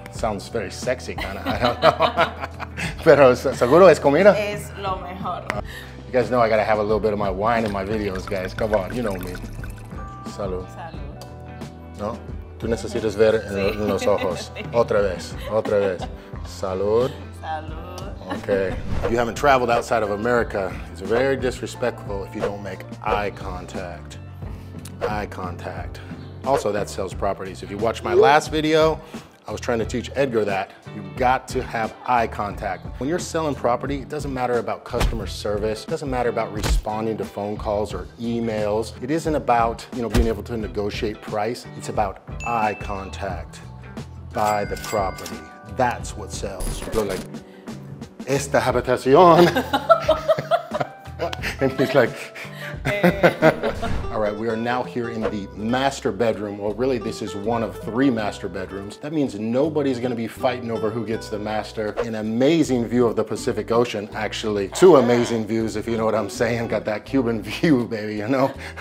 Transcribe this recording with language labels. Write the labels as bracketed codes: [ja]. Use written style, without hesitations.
[en] Sounds very sexy, kind of. I don't know. [es] Pero seguro es comida. Es lo mejor. [en] You guys know I gotta have a little bit of my wine in my videos, guys. Come on, you know me. [es] Salud. No. Tú necesitas ver en los ojos. Otra vez. Salud. Salud. [en] Okay. If you haven't traveled outside of America, it's very disrespectful if you don't make eye contact. Eye contact. Also, that sells properties. If you watched my last video, I was trying to teach Edgar that. You've got to have eye contact. When you're selling property, it doesn't matter about customer service. It doesn't matter about responding to phone calls or emails. It isn't about, you know, being able to negotiate price. It's about eye contact. Buy the property. That's what sells. You're like, [es] esta habitación. [en] And he's like. All right, we are now here in the master bedroom. Well, really, this is one of three master bedrooms. That means nobody's gonna be fighting over who gets the master. An amazing view of the Pacific Ocean, actually. Two amazing views, if you know what I'm saying. Got that Cuban view, baby, you know?